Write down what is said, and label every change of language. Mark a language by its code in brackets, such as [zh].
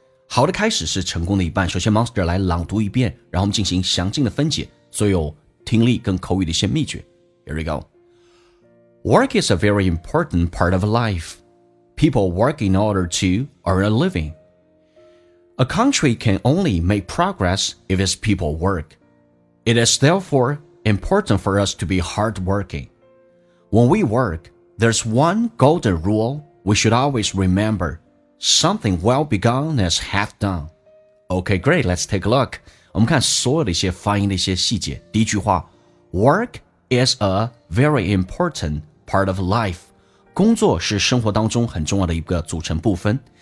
[zh] 好的开始是成功的一半。首先 Master 来朗读一遍，然后我们进行详尽的分解，所有听力跟口语的一些秘诀。 [en] Here we go。 Work is a very important part of life. People work in order to earn a living. A country can only make progress if its people work. It is therefore important for us to be hardworking. When we work, there's one golden rule we should always remember. Something well begun is half done. Okay, great, let's take a look. [zh] 我们看所有的一些发音的一些细节。第一句话， [en] Work is a very important part of life. [zh] 工作是生活当中很重要的一个组成部分。